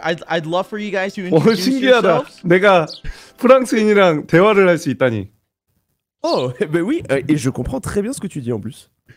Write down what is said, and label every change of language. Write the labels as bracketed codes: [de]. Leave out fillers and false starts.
[en] I'd love for you guys to introduce yourselves. [ko] 신기하다. 내가 프랑스인이랑 대화를 할 수 있다니. [fr] Oh, ben oui. Et je comprends très bien ce que tu dis en plus.